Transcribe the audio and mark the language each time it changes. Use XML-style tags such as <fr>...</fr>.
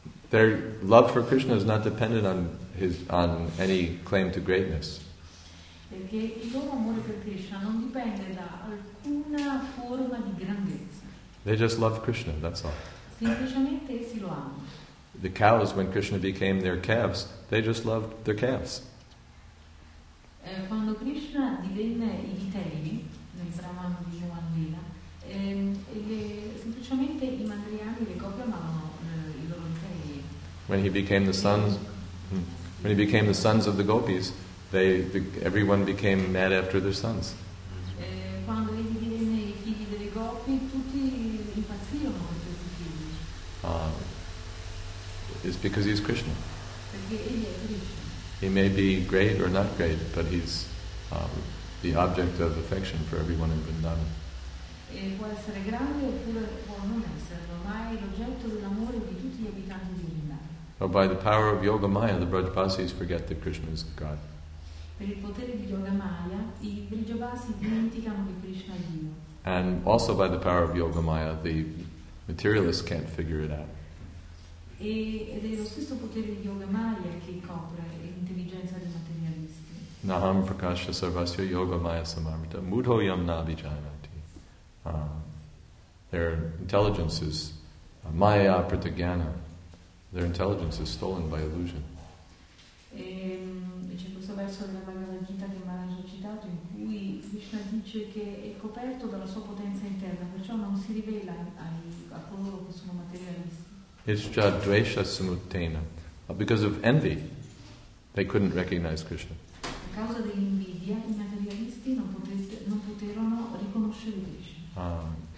<en>Their love for Krishna is not dependent on his on any claim to greatness.</en> <it>Perché il loro amore per Krishna non dipende da alcuna forma di grandezza.</it> <en>They just love Krishna, that's all.</en> <it>Semplicemente essi lo amano.</it> <en>The cows, when Krishna became their calves, they just loved their calves.</en> <it>Quando Krishna divenne i vitelli nel Brahman di Jivanila, semplicemente i mandriani, le copie amavano i loro vitelli.</it> <en>When he became the sons of the gopis, everyone became mad after their sons.</en> <it>Quando egli divenne i figli delle gopi, tutti impazzirono per questi figli.</it> <en>It's because he's Krishna.</en> <it>Perché egli è Krishna.</it> <en>He may be great or not great, but he's the object of affection for everyone in Vrindavan.</en> <it>Può essere grande oppure può non esserlo, ma è l'oggetto dell'amore di tutti gli abitanti di Vrindavan.</it> <en>Oh, by the power of Yoga Maya, the Brajbasis forget that Krishna is God.</en> <it>Per il potere di Yoga Maya, i Brajbasi dimenticano che Krishna è Dio.</it> <en>And also by the power of Yoga Maya, the materialists can't figure it out.</en> <it>Ed è lo stesso potere di Yoga Maya che copre l'intelligenza dei materialisti.</it> <sa>Naham prakasha sarvasya Yoga Maya samarmita mudho yam nabijanati.</sa> <en>Their intelligence is</en> <sa>Maya pratigana.</sa> <en>Their intelligence is stolen by illusion.</en> <it>C'è questo verso della Bhagavad Gita che Maharaj ha citato, in cui Krishna dice che è coperto dalla sua potenza interna, perciò non si rivela a coloro che sono materialisti.</it> <en>It's just</en> <sa>dvesha samuttena.</sa> <en>Because of envy, they couldn't recognize Krishna.</en> <it>causa dell'invidia, i materialisti non poterono riconoscere Krishna.</it>